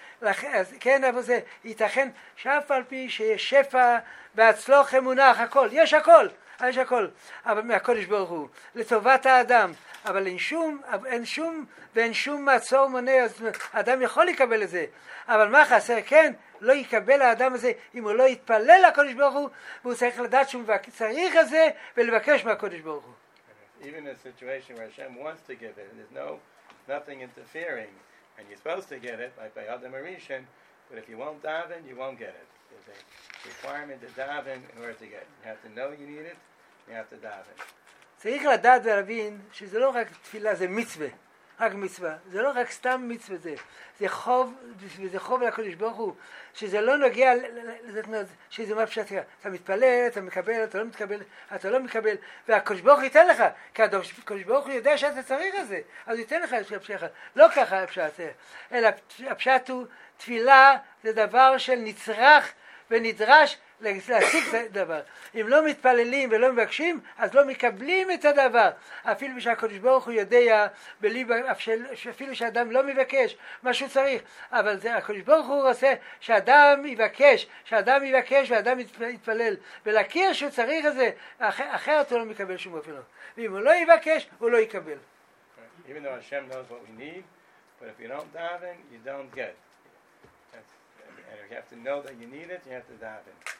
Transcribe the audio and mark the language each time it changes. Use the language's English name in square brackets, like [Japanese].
[Hebrew] אז כן, אבל זה ייתכן שאף על פי שיש שפע והצלוח אמונה, הכל, יש הכל, יש הכל, אבל מהקודש ברוך הוא, לטובת האדם, אבל אין שום, אין שום, ואין שום מעצור מונה, אז אדם יכול לקבל את זה, אבל מה חסר, כן, לא יקבל האדם הזה, אם הוא לא יתפלל לקודש ברוך הוא, והוא צריך לדעת שהוא צריך את זה, ולבקש מהקודש ברוך הוא. [English] Even in a situation where Hashem wants to give it, and there's no, nothing interfering, and you're supposed to get it, like by Adam HaRishon, but if you won't daven, you won't get it. There's a requirement to daven in order to get it. You have to know you need it, you have to daven. [Hebrew] צריך לדעת ולהבין שזה לא רק תפילה, זה מצווה. רק מצווה. זה לא רק סתם מצווה זה. זה חוב, וזה חוב לקדוש ברוך הוא, שזה לא נוגע, שזה מה פשוט, אתה מתפלל, אתה מקבל, אתה לא מתקבל, אתה לא מקבל, והקדוש ברוך הוא ייתן לך, כי הקדוש ברוך הוא יודע שאתה צריך את זה, אז הוא ייתן לך את הפשוט, לא ככה הפשוט, אלא הפשוט הוא, תפילה זה דבר של נצרך ונדרש להשיג את הדבר. אם לא מתפללים ולא מבקשים, אז לא מקבלים את הדבר. אפילו שהקדוש ברוך הוא יודע, אפילו שאדם לא מבקש מה שהוא צריך, אבל זה הקדוש ברוך הוא רוצה שאדם יבקש, שאדם יבקש ואדם יתפלל, ולהכיר שהוא צריך את זה, אחרת הוא לא מקבל שום אופן. ואם הוא לא יבקש, הוא לא יקבל. [English] Even though Hashem knows what we need, but if you don't daven, you don't get. And if you have to know that you need it, you have to daven.